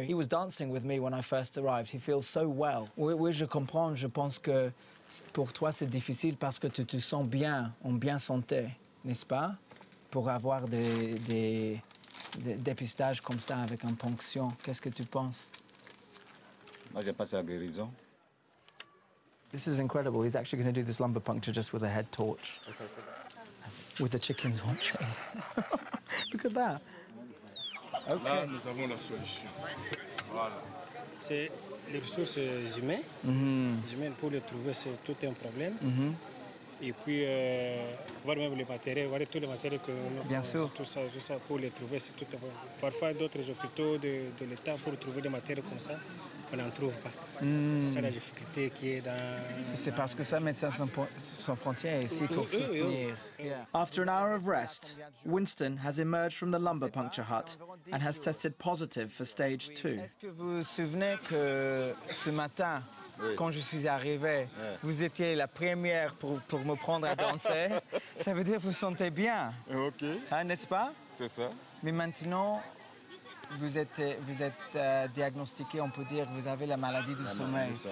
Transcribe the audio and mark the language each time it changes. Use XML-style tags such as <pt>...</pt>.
<en>He was dancing with me when I first arrived. He feels so well.</en> <fr>Oui, oui, je comprends. Je pense que pour toi, c'est difficile parce que tu te sens bien, en bien santé, n'est-ce pas? Pour avoir des dépistages comme ça avec une ponction, qu'est-ce que tu penses? Moi, j'ai passé la guérison.</fr> <en>This is incredible. He's actually going to do this lumbar puncture just with a head torch. With the chickens watching. Look at that. Okay.</en> <fr>Là, nous avons la solution. Voilà. C'est les ressources humaines. Humaines pour les trouver, c'est tout un problème. Et puis, voir même les matériels, voir tous les matériels que l'on a. Bien sûr. Tout ça pour les trouver, c'est tout un problème. Parfois, d'autres hôpitaux de l'État pour trouver des matériels comme ça. On n'en trouve pas. C'est la difficulté qui est dans... C'est parce que ça, Médecins Sans Frontières est ici pour soutenir.</fr> <en>After an hour of rest, Winston has emerged from the lumbar puncture hut and has tested positive for stage 2.</en> <fr>Est-ce que vous vous souvenez que ce matin, quand je suis arrivé, vous étiez la première pour me prendre à danser? Ça veut dire que vous vous sentez bien. OK. Hein, n'est-ce pas? C'est ça. Mais maintenant... Vous êtes diagnostiqué, on peut dire, vous avez la maladie du sommeil.</fr>